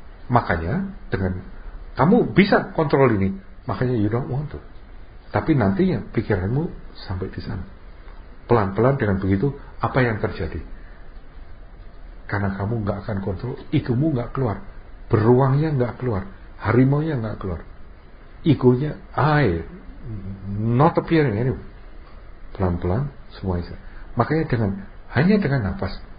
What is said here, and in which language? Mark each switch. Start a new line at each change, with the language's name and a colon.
Indonesian: Makanya, dengan kamu bisa kontrol ini, makanya
English: you don't want to.
Indonesian: Tapi nantinya pikiranmu sampai di sana. Pelan-pelan dengan begitu, apa yang terjadi? Karena kamu gak akan kontrol, egomu gak keluar. Beruangnya gak keluar. Harimaunya gak keluar.
English: Egonya, I, not appearing anyway.
Indonesian: Pelan-pelan, semuanya. Makanya dengan, hanya dengan nafas.